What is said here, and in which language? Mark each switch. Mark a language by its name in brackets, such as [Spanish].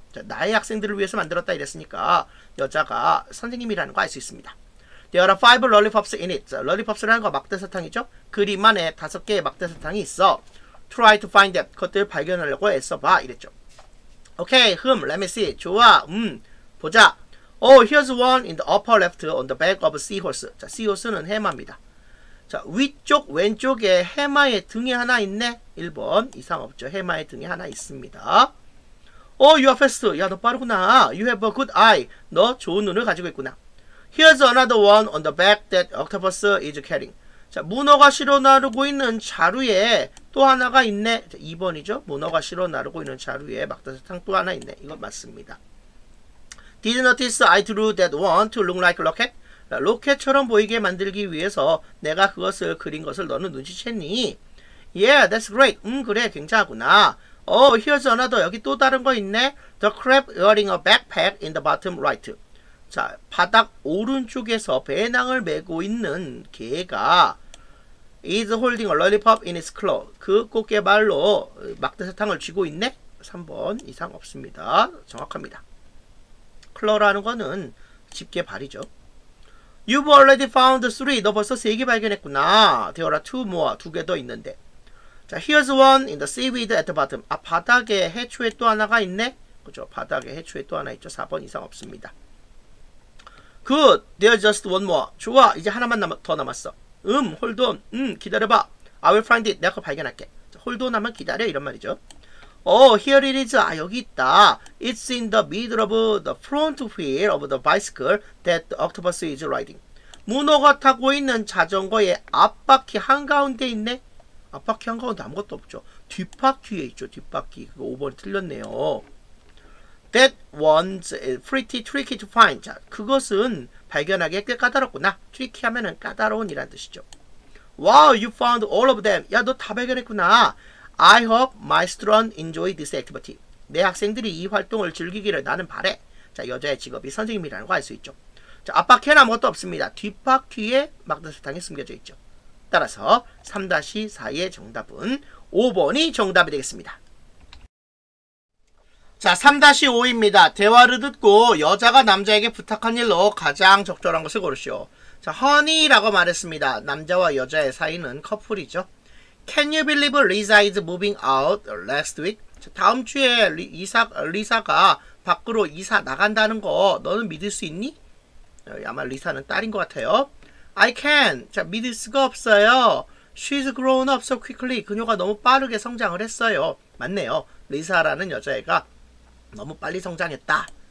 [Korean] 자, 나의 학생들을 위해서 만들었다 이랬으니까 여자가 선생님이라는 거 알 수 있습니다. [English] There are five lollipops in it. Lollipops [Korean] 라는 거 막대사탕이죠? 그림 안에 다섯 개의 막대사탕이 있어. [English] Try to find them. [Korean] 그것들 발견하려고 애써봐. 이랬죠. [English] Okay, let me see. [Korean] 좋아, 보자. [English] Oh, here's one in the upper left on the back of a seahorse. [Korean] 자, seahorse는 해마입니다. 자, 위쪽 왼쪽에 해마의 등에 하나 있네. 1번, 이상 없죠. 해마의 등에 하나 있습니다. [English] Oh, you are fast. [Korean] 야, 너 빠르구나. [English] You have a good eye. [Korean] 너 좋은 눈을 가지고 있구나. [English] Here's another one on the back that octopus is carrying. [Korean] 자, 문어가 실어 나르고 있는 자루에 또 하나가 있네. 자, 2번이죠. 문어가 실어 나르고 있는 자루에 막대사탕 또 하나 있네. 이거 맞습니다. [English] Did notice I drew that one to look like a rocket? [Korean] 로켓처럼 보이게 만들기 위해서 내가 그것을 그린 것을 너는 눈치챘니? [English] Yeah, that's great. [Korean] 그래, 굉장하구나. [English] Oh, here's another. [Korean] 여기 또 다른 거 있네. [English] The crab wearing a backpack in the bottom right. [Korean] 자, 바닥 오른쪽에서 배낭을 메고 있는 개가 [English] is holding a lollipop in its claw. [Korean] 그 꽃게발로 막대사탕을 쥐고 있네. 3번 이상 없습니다. 정확합니다. claw라는 거는 집게발이죠. [English] You've already found three. [Korean] 너 벌써 세 개 발견했구나. [English] There are two more. [Korean] 두 개 더 있는데. [English] 자, here's one in the seaweed at the bottom. [Korean] 아, 바닥에 해초에 또 하나가 있네. 그죠? 바닥에 해초에 또 하나 있죠. 4번 이상 없습니다. [English] Good. There's just one more. [Korean] 좋아. 이제 하나만 더 남았어. [English] Hold on. [Korean] 기다려봐. [English] I will find it. [Korean] 내가 그거 발견할게. [English] Hold on [Korean] 하면 기다려. 이런 말이죠. [English] Oh, here it is. [Korean] 아, 여기 있다. [English] It's in the middle of the front wheel of the bicycle that the octopus is riding. [Korean] 문어가 타고 있는 자전거의 앞바퀴 한가운데 있네. 앞바퀴 한가운데 아무것도 없죠. 뒷바퀴에 있죠. 뒷바퀴. 그거 5번 틀렸네요. [English] That one's pretty tricky to find. [Korean] 자, 그것은 발견하기에 꽤 까다롭구나. [English] Tricky [Korean] 하면은 까다로운 이란 뜻이죠. [English] Wow, you found all of them. [Korean] 야, 너 다 발견했구나. [English] I hope my students enjoy this activity. [Korean] 내 학생들이 이 활동을 즐기기를 나는 바래. 자, 여자의 직업이 선생님이라는 거 알 수 있죠. 자, 앞바퀴는 아무것도 없습니다. 뒷바퀴에 막대사탕이 숨겨져 있죠. 따라서 3-4의 정답은 5번이 정답이 되겠습니다. 자, 3-5입니다. 대화를 듣고 여자가 남자에게 부탁한 일로 가장 적절한 것을 고르시오. 자, honey라고 말했습니다. 남자와 여자의 사이는 커플이죠. [English] Can you believe Lisa is moving out next week? [Korean] 자, 다음 주에 리사가 밖으로 이사 나간다는 거 너는 믿을 수 있니? 아마 리사는 딸인 것 같아요. [English] I can. [Korean] 자, 믿을 수가 없어요. [English] She's grown up so quickly. [Korean] 그녀가 너무 빠르게 성장을 했어요. 맞네요. 리사라는 여자애가 너무 빨리 성장했다.